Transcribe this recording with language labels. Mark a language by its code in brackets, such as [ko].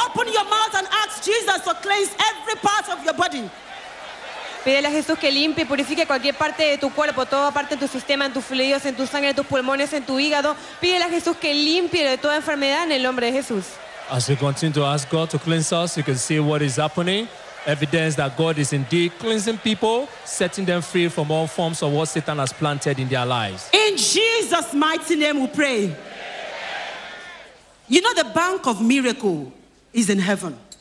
[en] Open your mouth and ask Jesus to cleanse every part of your body. [es] Pídele a Jesús que limpie y purifique cualquier parte de tu cuerpo, toda parte de tu sistema, en tus fluidos, en tu sangre, en tus pulmones, en tu hígado. Pídele a Jesús que limpie de toda enfermedad en el nombre de Jesús. [en] As we continue to ask God to cleanse us, you can see what is happening. Evidence that God is indeed cleansing people, setting them free from all forms of what Satan has planted in their lives. In Jesus' mighty name we pray. You know the bank of miracle is in heaven.